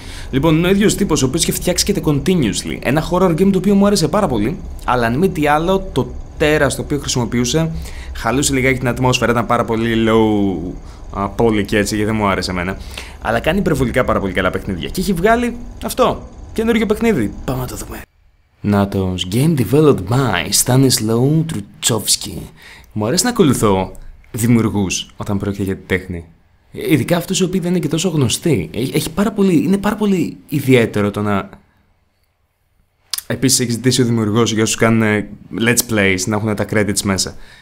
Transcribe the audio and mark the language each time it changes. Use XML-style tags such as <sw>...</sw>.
<el>Λοιπόν, είναι ο ίδιος τύπος ο οποίος και φτιάξει και το Continuously. Ένα horror game το οποίο μου άρεσε πάρα πολύ. Αλλά αν μη τι άλλο, το τέρας το οποίο χρησιμοποιούσε χαλούσε λιγάκι την ατμόσφαιρα. Ήταν πάρα πολύ low poly και έτσι, γιατί δεν μου άρεσε εμένα. Αλλά κάνει υπερβολικά πάρα πολύ καλά παιχνίδια. Και έχει βγάλει αυτό. Καινούργιο παιχνίδι. Πάμε να το δούμε. Νάτος.</el> <en>Game developed by Stanislaw Trutskovsky.</en> <el>Μου αρέσει να ακολουθώ δημιουργούς όταν πρόκειται για τέχνη. Ειδικά αυτούς οι οποίοι δεν είναι και τόσο γνωστοί. Είναι πάρα πολύ ιδιαίτερο το να. Επίσης έχει ζητήσει ο δημιουργός για όσους κάνουν let's plays να έχουν τα credits μέσα.</el>